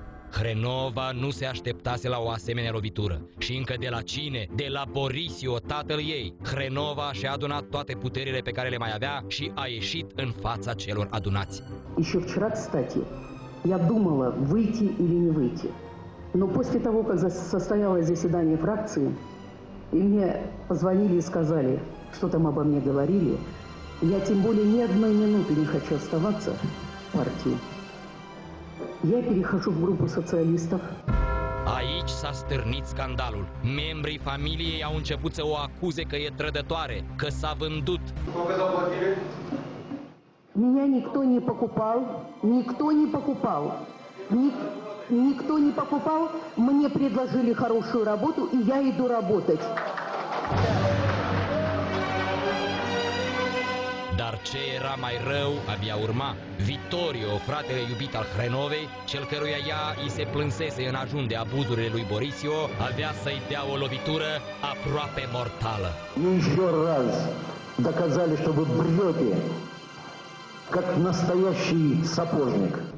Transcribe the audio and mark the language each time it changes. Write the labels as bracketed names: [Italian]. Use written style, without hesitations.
[Romanian] Hrenova nu se așteptase la o asemenea lovitură. Și încă de la cine? De la Borisio, tatăl ei. Hrenova și-a adunat toate puterile pe care le mai avea și a ieșit în fața celor adunați. [Russian] Еще вчера, кстати, я думала, выйти или не выйти. Но после того, как состоялось заседание фракции, и мне позвонили и сказали, что там обо мне говорили, я тем более ни одной минуты не хочу оставаться в партии. Я перехожу в группу социалистов. [Romanian] Aici s-a stârnit scandalul. Membrii familiei au început să o acuze că e trădătoare, că s-a vândut. [Russian] Меня никто не покупал, никто не покупал. Никто не покупал, мне предложили хорошую работу, и я иду работать. [Romanian] Dar ce era mai rău abia urma. Vittorio, fratele iubit al Hrenovei, cel căruia ea i se plânsese în ajun de abuzurile lui Borisio, avea să-i dea o lovitură aproape mortală. Încă [Russian] раз доказали, что вы брете, как настоящий сапожник.